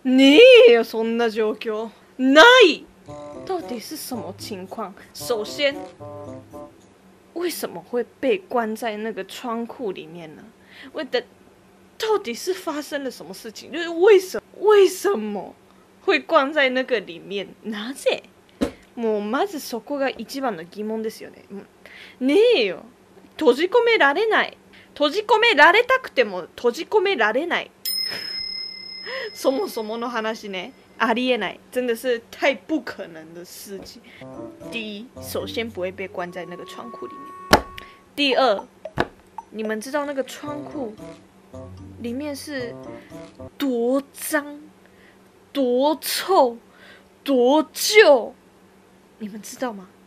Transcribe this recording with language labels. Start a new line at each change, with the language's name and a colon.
Chinese: 你有
Japanese: そんな状況？ない。
Chinese: 到底是什么情况？首先，为什么会被关在那个窗户里面呢？我的，到底是发生了什么事情？就是为什么？会关在那个里面，なぜ？
Japanese: もうまずそこが一番の疑問ですよね。ねえよ、閉じ込められない。閉じ込められたくても閉じ込められない。そもそもの話ね、ありえない。
Chinese: 真的是太不可能的事情。第一，首先不会被关在那个窗户里面。第二，你们知道那个窗户里面是多脏？多臭，多旧，你们知道吗？